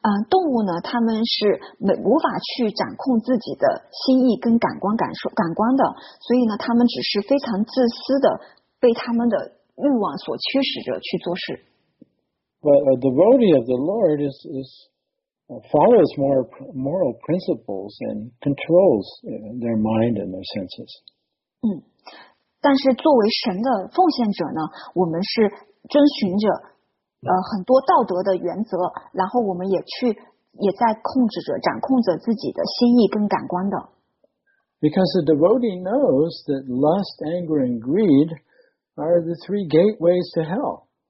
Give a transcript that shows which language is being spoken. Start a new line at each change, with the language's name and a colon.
Chinese: 动物呢，他们是没无法去掌控自己的心意跟感官感受感官的，所以呢，他们只是非常自私的，被他们的欲望所驱使着去做事。
English: But a devotee of the Lord follows moral principles and controls their mind and their senses.
Chinese: 但是作为神的奉献者呢，我们是遵循着。很多道德的原则，然后我们也在控制着、掌控着自己的心意跟感官的。
English: Because a devotee knows that lust, anger, and greed are the three gateways to hell.